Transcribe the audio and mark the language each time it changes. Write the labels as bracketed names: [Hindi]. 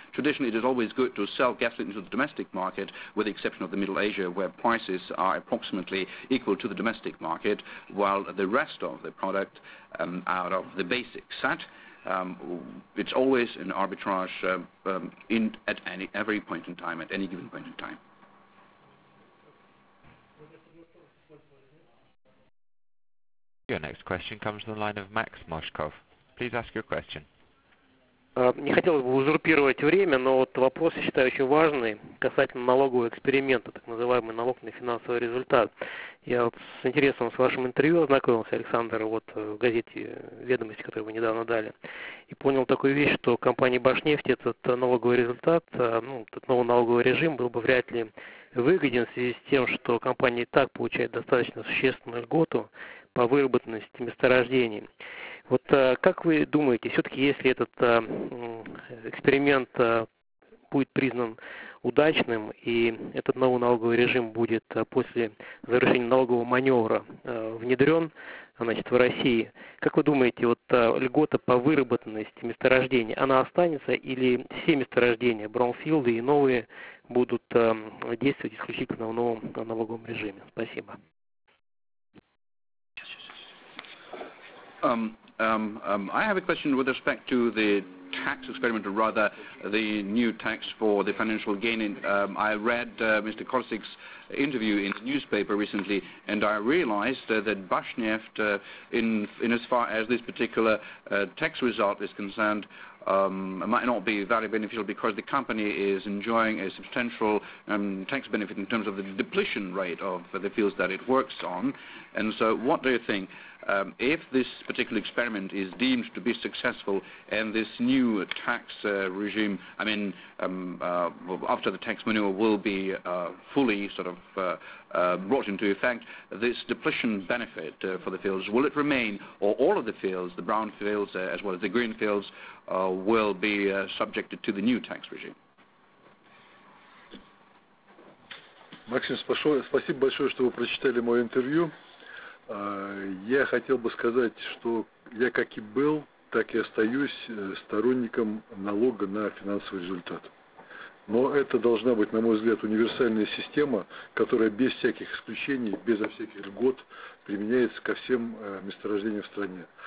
[English] Traditionally, it is always good to sell gasoline into the domestic market, with the exception of the Middle Asia, where prices are approximately equal to the domestic market, while the rest of the product out of the basic set, it's always an arbitrage at any given point in time. Your next question comes from the line of Max Moshkov. Please ask your question. [Russian] Не хотелось бы узурпировать время, но вот вопрос, я считаю, очень важный касательно налогового эксперимента, так называемый налог на финансовый результат. Я вот с интересом с вашим интервью ознакомился, Александр, вот в газете «Ведомости», которую вы недавно дали, и понял такую вещь, что компании «Башнефть» этот налоговый результат, ну, этот новый налоговый режим был бы вряд ли выгоден в связи с тем, что компания и так получает достаточно существенную льготу по выработанности месторождений. Вот как вы думаете, все-таки если этот эксперимент будет признан удачным, и этот новый налоговый режим будет после завершения налогового маневра внедрен, значит, в России. Как вы думаете, вот льгота по выработанности месторождений, она останется или все месторождения, браунфилды и новые, будут действовать исключительно в новом налоговом режиме? Спасибо. [English] I have a question with respect to the tax experiment, or rather the new tax for the financial gain. I read Mr. Korsik's interview in the newspaper recently, and I realized that Bashneft, in as far as this particular tax result is concerned, might not be very beneficial because the company is enjoying a substantial tax benefit in terms of the depletion rate of the fields that it works on. And so what do you think? If this particular experiment is deemed to be successful and this new tax regime, I mean, after the tax manure will be fully sort of brought into effect, this depletion benefit for the fields, will it remain, or all of the fields, the brown fields as well as the green fields, will be subjected to the new tax regime? [Russian] Максим, спасибо большое, что вы прочитали мое интервью. Я хотел бы сказать, что я как и был, так и остаюсь сторонником налога на финансовый результат. Но это должна быть, на мой взгляд, универсальная система, которая без всяких исключений, безо всяких льгот применяется ко всем месторождениям в стране.